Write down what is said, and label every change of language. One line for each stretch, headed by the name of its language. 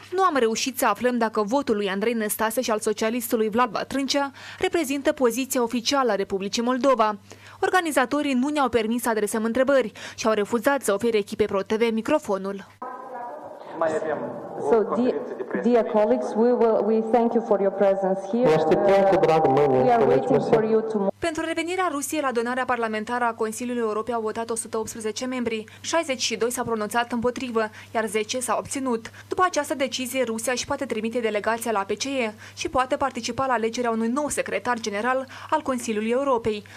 Romanian: Nu am reușit să aflăm dacă votul lui Andrei Năstase și al socialistului Vlad Bătrâncea reprezintă poziția oficială a Republicii Moldova. Organizatorii nu ne-au permis să adresăm întrebări și au refuzat să ofere echipei Pro TV microfonul.
English: So, dear colleagues, we thank you for your presence here.
Romanian: Pentru revenirea Rusiei la adunarea parlamentară a Consiliului Europei au votat 118 membri, 62 s-au pronunțat împotrivă, iar 10 s-au obținut. După această decizie, Rusia își poate trimite delegația la PCE și poate participa la alegerea unui nou secretar general al Consiliului Europei.